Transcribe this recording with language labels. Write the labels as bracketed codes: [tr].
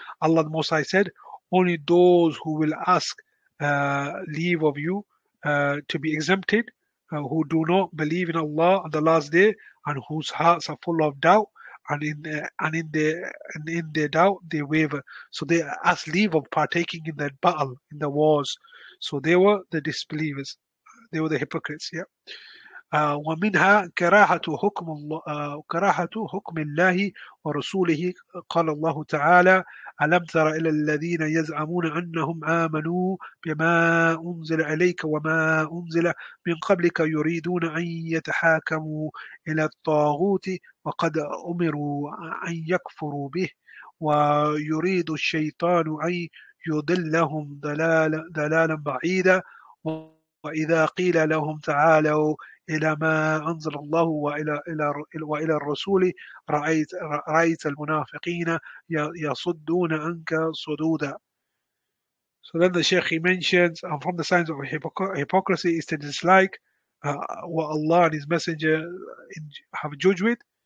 [en] Allah the Most High said, only those who will ask leave of you to be exempted, who do not believe in Allah on the last day, and whose hearts are full of doubt, and in their doubt they waver. So they ask leave of partaking in that battle, in the wars. So they were the disbelievers. They were the hypocrites. Yeah. [ar] ومنها كراهة حكم الله ورسوله قال الله تعالى ألم تر إلى الذين يزعمون أنهم آمنوا بما أنزل عليك وما أنزل من قبلك يريدون أن يتحاكموا إلى الطاغوت وقد أمروا أن يكفروا به ويريد الشيطان أن يضلهم ضلالا بعيدا وإذا قيل لهم تعالوا إلى ما أنزل الله وإلى الرسول رأيت المنافقين يصدون عنك صدودا. [en] So then the Sheikh, he mentions, and from the signs of hypocrisy is to dislike what Allah and His Messenger have judged with.